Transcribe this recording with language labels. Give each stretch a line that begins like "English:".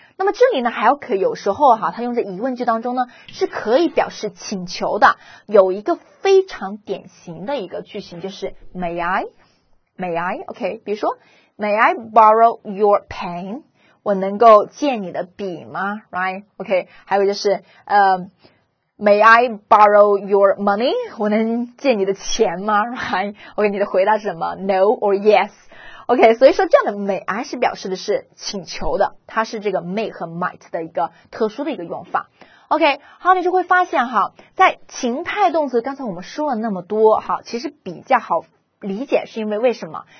Chinese: 那么这里呢，还有可有时候哈，它用在疑问句当中呢，是可以表示请求的。有一个非常典型的一个句型，就是 may I OK。比如说
English: may I borrow your pen，
Chinese: 我能够借你的笔吗？
English: right OK。还有就是May I borrow your money？
Chinese: 我能借你的钱吗？right？ OK， 你的回答是什么？
English: No or yes？
Chinese: OK， 所以说这样的 may I 是表示的是请求的，它是这个 may 和 might 的一个特殊的一个用法。 OK， 好，你就会发现哈，在情态动词，刚才我们说了那么多哈，其实比较好理解，是因为为什么？